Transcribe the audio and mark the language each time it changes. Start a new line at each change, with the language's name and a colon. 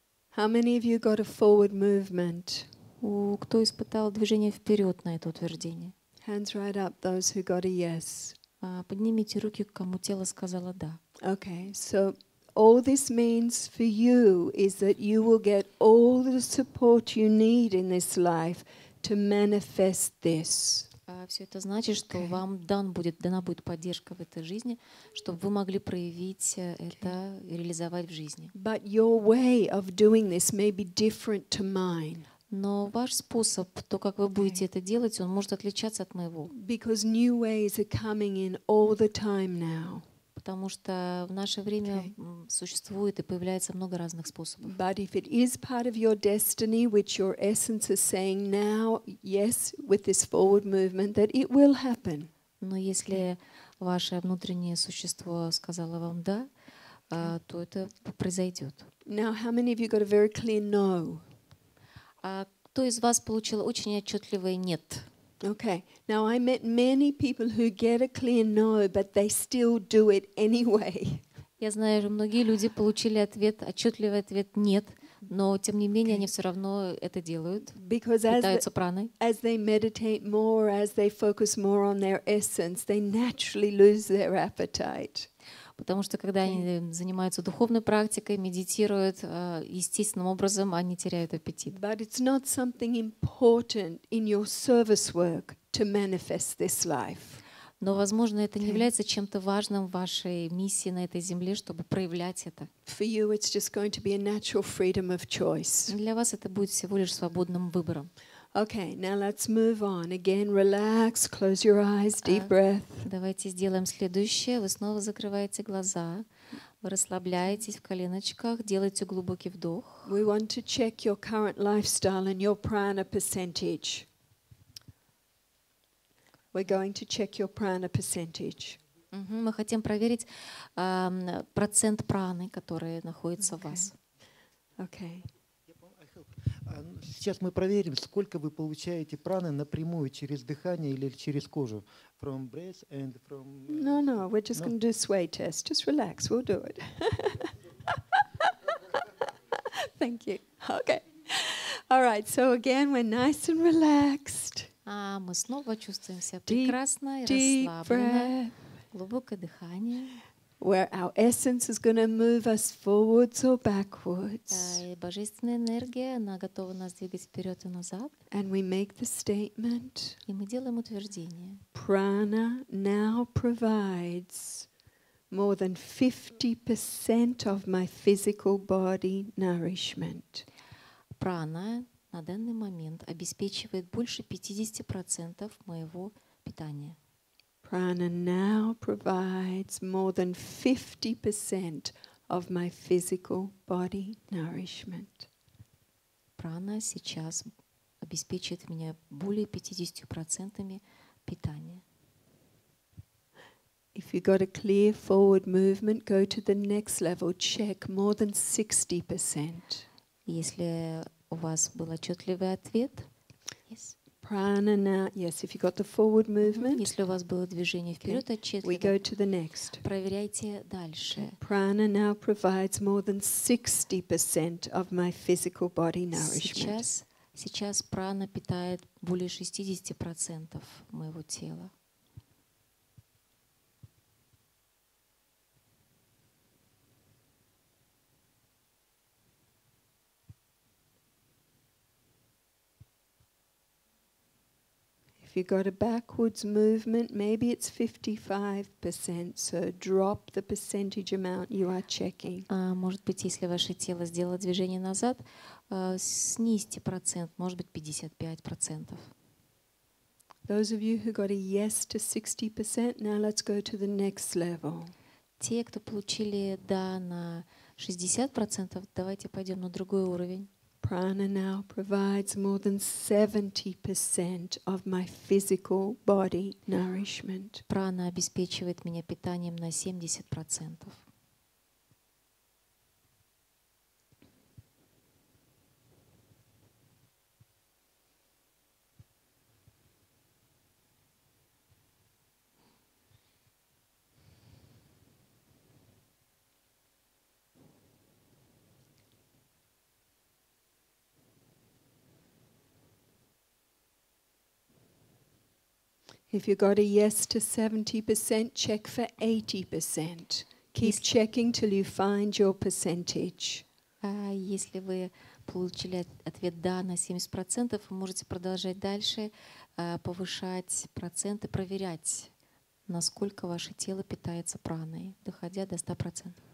English: How many of you got a forward movement?
Russian: Кто испытал движение вперед на это утверждение?
English: Hands right up, those who got a yes.
Russian: Поднимите руки, кому тело сказало да.
English: Okay, so all this means for you is that you will get all the support you need in this life to manifest this.
Russian: Все это значит, что вам дана будет поддержка в этой жизни, чтобы вы могли проявить это и реализовать в жизни.
English: But your way of doing this may be different to mine.
Russian: Но ваш способ, то, как вы будете это делать, он может отличаться от моего.
English: Because new ways are coming in all the time now.
Russian: Потому что в наше время существует и появляется много разных способов.
English: But if it is part of your destiny, which your essence is saying now, yes, with this forward movement, that it will happen.
Russian: Но если ваше внутреннее существо сказало вам да, то это произойдет.
English: Now, how many of you got a very clear no?
Russian: Кто из вас получил очень отчетливое нет?
English: Okay. Now I met many people who get a clear no, but they still do it anyway.
Russian: Я знаю, что многие люди получили ответ, отчетливый ответ нет, но тем не менее они все равно это делают, питаются праной.
English: As they meditate more, as they focus more on their essence, they naturally lose their appetite.
Russian: Потому что когда они занимаются духовной практикой, медитируют, естественным образом они теряют аппетит.
English: But it's not something important in your service work to manifest this life.
Russian: Но, возможно, это не является чем-то важным в вашей миссии на этой земле, чтобы проявлять это.
English: For you it's just going to be a natural freedom of choice.
Russian: Для вас это будет всего лишь свободным выбором.
English: Okay, now let's move on. Again, relax, close your eyes, deep breath.
Russian: Давайте сделаем следующее. Вы снова закрываете глаза, вы расслабляетесь в коленочках, делаете глубокий вдох.
English: We want to check your current lifestyle and your prana percentage. We're going to check your prana percentage.
Russian: Мы хотим проверить процент праны, который находится в вас.
English: Okay.
Russian: Сейчас мы проверим, сколько вы получаете праны напрямую через дыхание или через кожу.
English: From breath and from... No, we're just going to do sway test. Just relax, we'll do it. Thank you. Okay. All right, so again, we're nice and relaxed.
Russian: А мы снова чувствуем себя прекрасно и расслабленно. Глубокое дыхание.
English: Where our essence is going to move us forwards or backwards.
Russian: Божественная энергия, она готова нас двигать вперед и назад.
English: And we make the statement.
Russian: И мы делаем утверждение.
English: Prana now provides more than 50% of my physical body nourishment.
Russian: Прана на данный момент обеспечивает больше 50% моего питания.
English: Prana now provides more than 50% of my physical body nourishment.
Russian: Прана сейчас обеспечивает меня более 50% питания.
English: If you got a clear forward movement, go to the next level, check more than 60%.
Russian: Если у вас был отчётливый ответ?
English: Yes. Prana now, yes, if you got the forward movement.
Russian: Если у вас было движение вперёд отчётливо.
English: We go to the next.
Russian: Проверяйте дальше.
English: Prana now provides more than 60% of my physical body nourishment.
Russian: Сейчас прана питает более 60% моего тела.
English: If you got a backwards movement, maybe it's 55%. So drop the percentage amount you are checking.
Russian: Может быть, если ваше тело сделало движение назад, снизьте процент, может быть, 55%.
English: Those of you who got a yes to 60%, now let's go to the next level.
Russian: Те, кто получили да на 60%, давайте пойдем на другой уровень.
English: Prana now provides more than 70% of my physical body nourishment.
Russian: Прана обеспечивает меня питанием на 70%.
English: If you got a yes to 70%, check for 80%. Keep checking till you find your percentage.
Russian: Если вы получили ответ да на 70%, вы можете продолжать дальше, повышать проценты, проверять, насколько ваше тело питается праной, доходя до 100%.